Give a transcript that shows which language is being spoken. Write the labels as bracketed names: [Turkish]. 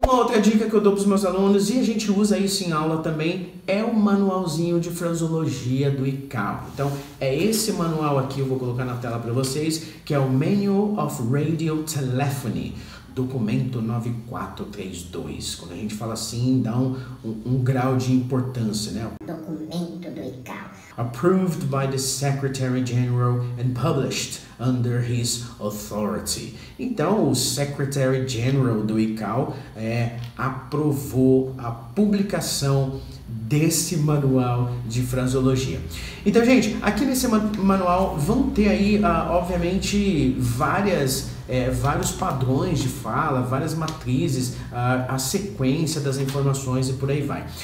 [Portuguese] Uma outra dica que eu dou para os meus alunos, e a gente usa isso em aula também, é o manualzinho de fraseologia do ICAO. Então, é esse manual aqui, eu vou colocar na tela para vocês, que é o Manual of Radio Telephony. Documento 9432, quando a gente fala assim, dá um grau de importância, né? Documento do ICAO. [English] Approved by the Secretary General and published under his authority. [Portuguese] Então, o Secretary General do ICAO aprovou a publicação desse manual de fraseologia. Então, gente, aqui nesse manual vão ter aí, obviamente, vários padrões de fala, várias matrizes, a sequência das informações e por aí vai.